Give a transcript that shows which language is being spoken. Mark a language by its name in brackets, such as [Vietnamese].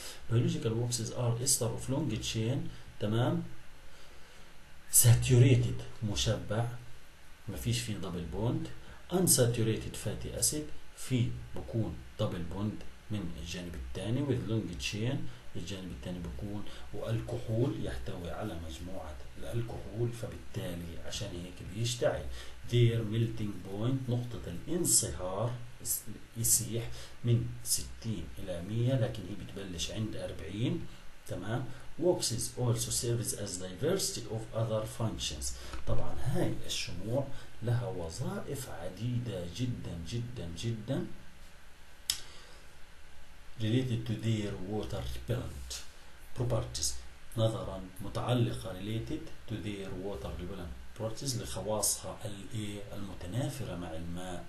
[Arabic] Biological waxes are ester of long chain تمام، saturated مشبع ما فيش فيه دبل بوند، unsaturated fatty acid فيه بكون دبل بوند من الجانب الثاني، with long chain الجانب الثاني بكون، والكحول يحتوي على مجموعة الكحول، فبالتالي عشان هيك بيشتعل. their melting point نقطة الانصهار يسيح من 60 إلى 100، لكن هي بتبلش عند 40 تمام. [English] Waxes also serves as diversity of other functions. [Arabic] طبعا هاي الشموع لها وظائف عديدة جدا جدا جدا related to their water repellent properties. نظرا متعلقة related to their water repellent properties لخواصها المتنافرة مع الماء.